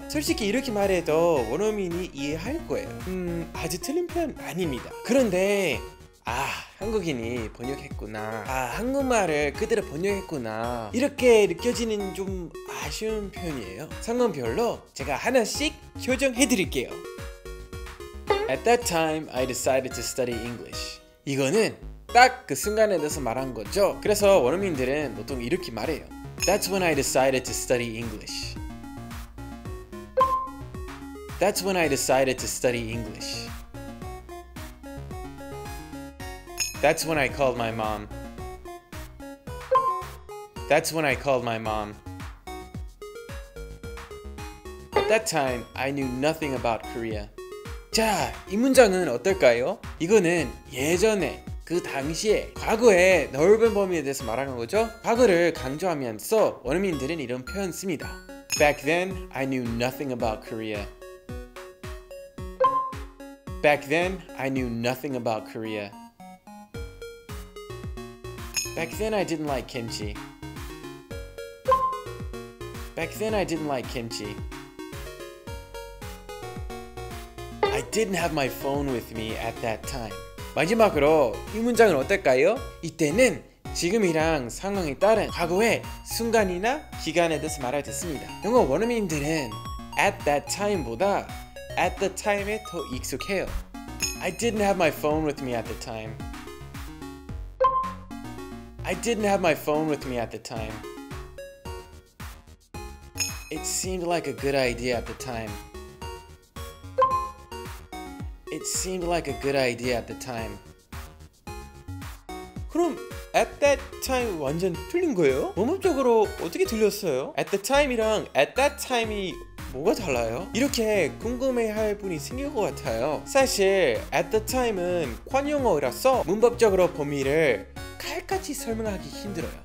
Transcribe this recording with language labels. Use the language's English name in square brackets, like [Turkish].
[Korean] 솔직히 이렇게 말해도 원어민이 이해할 거예요. 아주 틀린 표현 아닙니다. 그런데 아, 한국인이 번역했구나. 아, 한국말을 그대로 번역했구나. 이렇게 느껴지는 좀 아쉬운 표현이에요. 상관별로 제가 하나씩 교정해드릴게요. [English] At that time, I decided to study English. [Korean] 이거는 딱 그 순간에 대해서 말한 거죠. 그래서 원어민들은 보통 이렇게 말해요. [English] That's when I decided to study English. That's when I decided to study English. That's when I called my mom. That's when I called my mom. At that time, I knew nothing about Korea. [Korean] 자, 이 문장은 어떨까요? 이거는 예전에, 그 당시에, 과거의 넓은 범위에 대해서 말하는 거죠? 과거를 강조하면서 원어민들은 이런 표현 씁니다. [English] Back then, I knew nothing about Korea. Back then, I knew nothing about Korea. Back then, I didn't like kimchi. Back then, I didn't like kimchi. I didn't have my phone with me at that time. [Korean] 마지막으로 이 문장은 어떨까요? 이때는 지금이랑 상황에 따른 과거의 순간이나 기간에 대해서 말할 때 씁니다. 영어 원어민들은 [English] at that time [Korean] 보다 [English] at the time [Korean] 에 더 익숙해요. [English] I didn't have my phone with me at the time. I didn't have my phone with me at the time. It seemed like a good idea at the time. It seemed like a good idea at the time. [Korean] 그럼 [English] at that time [Korean] 완전 틀린 거예요? 원문적으로 어떻게 들렸어요? [English] At the time [Korean] 이랑 [English] at that time [Korean] 이 뭐가 달라요? 이렇게 궁금해할 분이 생길 것 같아요. 사실 [English] at the time [Korean] 은 관용어라서 문법적으로 범위를 칼같이 설명하기 힘들어요.